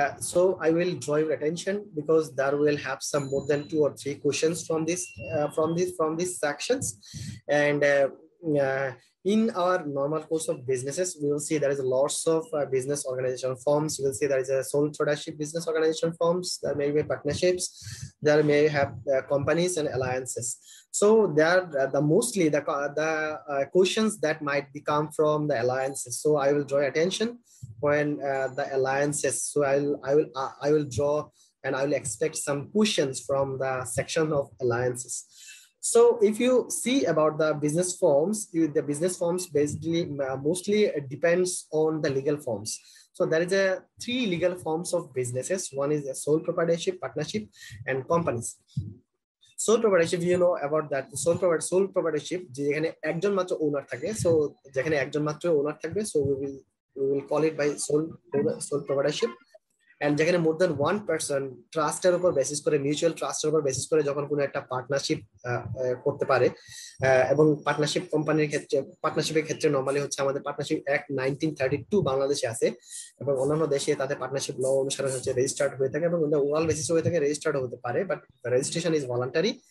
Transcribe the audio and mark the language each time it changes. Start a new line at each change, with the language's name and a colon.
English: So I will draw your attention because there will have some more than two or three question from this sections. And in our normal course of businesses we will see there is lots of business organisation forms. Will see there is sole tradership business organisation forms, there may be partnerships, there may have companies and alliances. So there are the mostly the questions that might come from the alliances. So I will draw attention when the alliances. So I will draw and I will expect some questions from the section of alliances. So if you see about the business forms, the business forms basically mostly depends on the legal forms. So there is a three legal forms of businesses. One is a sole proprietorship, partnership and companies. Sole proprietorship, you know about that.
Bangla: Sole proprietorship যেখানে একজন মাত্র ওনার থাকে, so যেখানে একজন মাত্র ওনার থাকবে, so
English: Will call it by sole providership.
Bangla: And যেখানে মোর দেন one person ট্রাস্টের উপর বেসিস করে, মিউচুয়াল ট্রাস্টের উপর বেসিস করে যখন কোনো একটা পার্টনারশিপ করতে পারে, এবং পার্টনারশিপ কোম্পানির ক্ষেত্রে পার্টনারশিপের ক্ষেত্রে নর্মালি হচ্ছে আমাদের পার্টনারশিপ অ্যাক্ট 1932 বাংলাদেশে আছে, এবং অন্যান্য দেশে তাদের পার্টনারশিপ ল অনুসারে হচ্ছে রেজিস্টার্ড হয়ে থাকে, এবং ওয়ার্ল্ড বেসিস হয়ে থাকে রেজিস্টার্ড হতে পারে,
English: But registration is voluntary.